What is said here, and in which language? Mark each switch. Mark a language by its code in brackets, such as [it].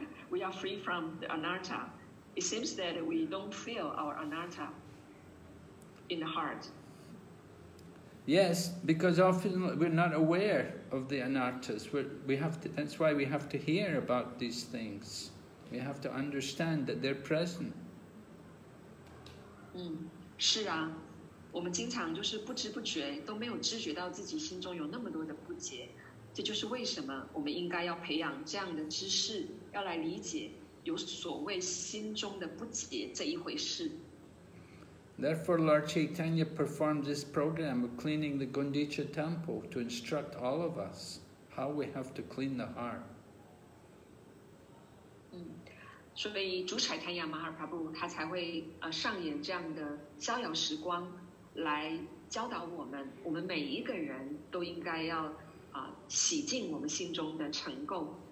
[en] We are free from the anartha. It seems that we don't feel our anartha in the heart. Yes, because often we're not aware of the anarthas. That's why we have to hear about these things. We have to understand that they're present. [zh] 是啊，我们经常就是不知不觉都没有知觉到自己心中有那么多的不解。这就是为什么我们应该要培养这样的知识，要来理解有所谓心中的不解这一回事。 [en] Therefore, Lord Chaitanya performed this program of cleaning the Gundicha temple to instruct all of us how we have to clean the heart. [zh] 所以主柴坦亚马尔帕布他才会上演这样的逍遥时光来教导我们，我们每一个人都应该要洗净我们心中的尘垢。